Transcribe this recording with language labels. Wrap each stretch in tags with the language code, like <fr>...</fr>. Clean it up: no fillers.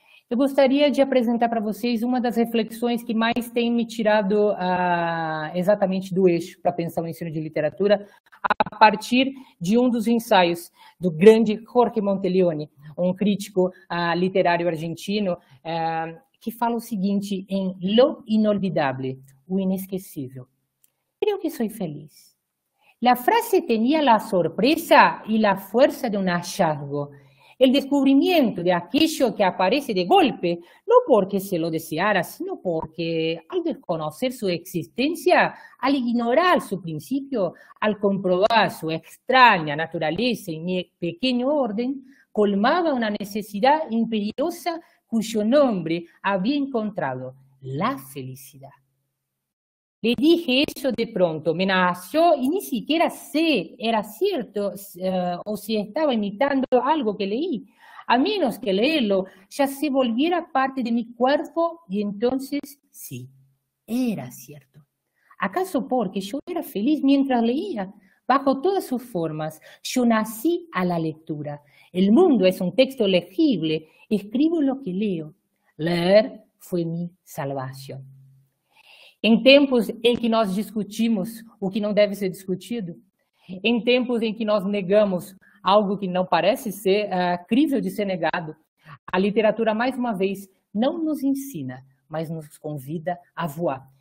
<pt>Eu gostaria de apresentar para vocês uma das reflexões que mais tem me tirado exatamente do eixo para pensar o ensino de literatura, a partir de um dos ensaios do grande Jorge Monteleone, um crítico literário argentino, que fala o seguinte em Lo Inolvidable, o inesquecível. Creio que sou feliz.</pt> <es>La frase tenía la sorpresa y la fuerza de un hallazgo, el descubrimiento de aquello que aparece de golpe, no porque se lo deseara, sino porque al desconocer su existencia, al ignorar su principio, al comprobar su extraña naturaleza y mi pequeño orden, colmaba una necesidad imperiosa cuyo nombre había encontrado, la felicidad. Le dije eso de pronto, me nació y ni siquiera sé era cierto o si estaba imitando algo que leí. A menos que leerlo ya se volviera parte de mi cuerpo y entonces sí, era cierto. ¿Acaso porque yo era feliz mientras leía? Bajo todas sus formas, yo nací a la lectura. El mundo es un texto legible, escribo lo que leo. Leer fue mi salvación.</es> <pt>Em tempos em que nós discutimos o que não deve ser discutido, em tempos em que nós negamos algo que não parece ser crível de ser negado, a literatura, mais uma vez, não nos ensina, mas nos convida a voar.</pt>